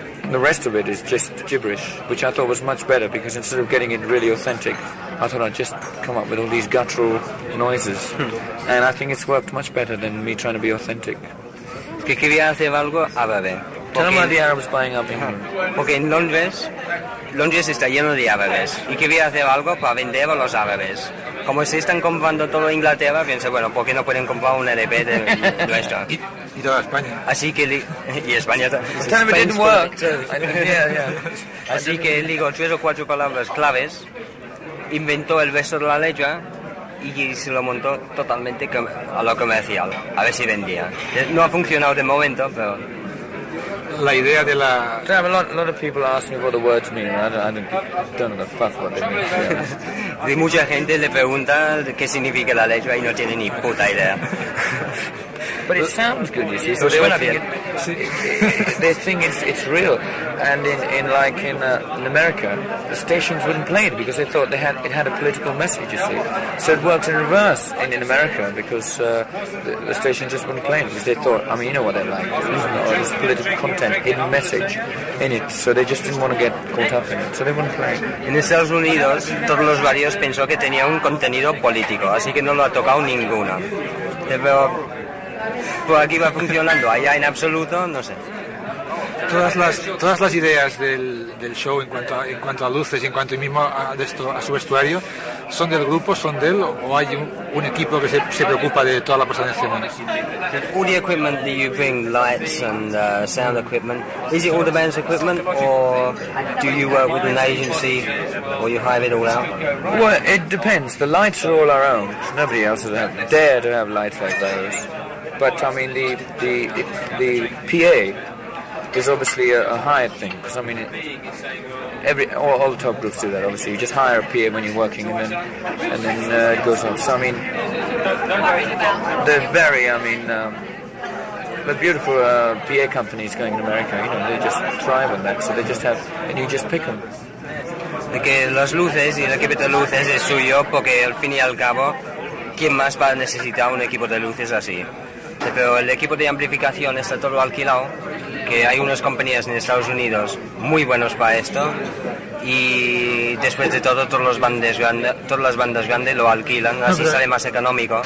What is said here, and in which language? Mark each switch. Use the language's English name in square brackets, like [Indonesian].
[English] The rest of it is just gibberish, which I thought was much better because instead of getting it really authentic, I thought I'd just come up with all these guttural noises. And I think it's worked much better than me trying to be authentic. [Spanish] Que quería hacer algo árabe. [English] Tell them about the Arabs buying up in [Spanish] Porque en Londres está lleno de árabes. Y quería hacer algo para vender a los árabes. Como si están comprando todo Inglaterra, pensé, bueno, ¿por qué no pueden comprar un LP de nuestro? Y toda España. Así que y España también. [English] It didn't work. [Spanish] Así que él dijo 3 o 4 palabras claves, inventó el verso de la letra y se lo montó totalmente a lo comercial, a ver si vendía. No ha funcionado de momento, pero la idea de la. [English] A lot of people ask me what the words mean. I don't know the fuck what they mean. [Spanish] Y mucha gente le pregunta qué significa la letra y no tiene ni puta idea. [English] But it sounds good, you see, so they want to be. they think it's real. And in America, the stations wouldn't play it because they thought it had a political message, you see. So it worked in reverse in America because the station just wouldn't play it because they thought, I mean, you know what they're like. There's political content, hidden message in it. So they just didn't want to get caught up in it. So they wouldn't play it. [Spanish] En Estados Unidos, todos los varios pensó que tenía un contenido político, así que no lo ha tocado ninguna. Pero por aquí va funcionando, allá en absoluto, no sé. Todas las ideas del show en cuanto a luces y en cuanto mismo a su vestuario, ¿son del grupo, son de él o hay un equipo que se preocupa de toda la puesta en escena? [English] All the equipment that you bring, lights and sound equipment, is it all the band's equipment or do you work with an agency or you hire it all out? Well, it depends. The lights are all our own. Nobody else has dared to have lights like those. But I mean the PA is obviously a hired thing, because I mean all the top groups do that. Obviously you just hire a PA when you're working and then it goes on. So I mean the beautiful PA companies going in America, you know, they just thrive on that, so they just have, and you just pick them. [Spanish] De que las luces y el equipo de luces es suyo, porque al fin y al cabo quien más va a necesitar un equipo de luces así. Pero el equipo de amplificación está todo alquilado, que hay unas compañías en Estados Unidos muy buenos para esto, y después de todo, todas las bandas grandes lo alquilan, no, así sale más económico.